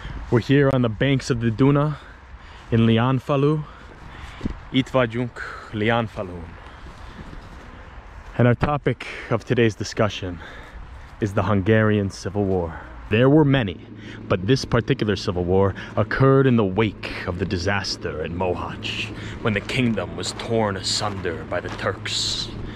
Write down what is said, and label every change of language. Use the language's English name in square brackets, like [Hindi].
[English] We're here on the banks of the Duna in Leányfalu. [Hungarian] Itt vagyunk Leányfalun. [English] And our topic of today's discussion is the Hungarian Civil War. There were many, but this particular civil war occurred in the wake of the disaster in Mohacs, when the kingdom was torn asunder by the Turks.